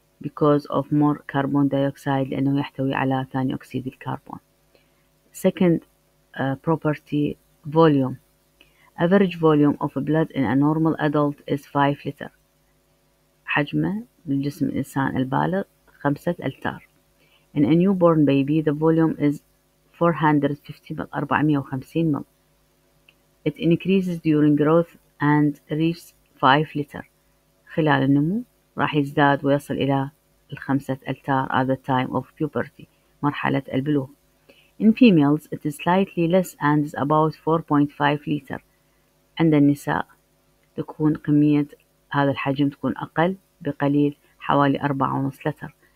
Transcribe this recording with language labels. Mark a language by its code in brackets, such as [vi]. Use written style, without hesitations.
[en] Because of more carbon dioxide، [ar] لأنه يحتوي على ثاني أكسيد الكربون. [en] Second property، volume. Average volume of blood in a normal adult is 5 liter، [ar] حجمه بالجسم الإنسان البالغ 5 ألتر. [en] In a newborn baby the volume is 450 ml. It increases during growth and reaches 5 liter، [ar] خلال النمو راح يزداد ويصل إلى 5 ألتر [en] at the time of puberty، [ar] مرحلة البلوغ. [en] In females it is slightly less and is about 4.5 liter، [ar] عند النساء تكون كمية هذا الحجم تكون أقل بقليل حوالي 4.5 لتر.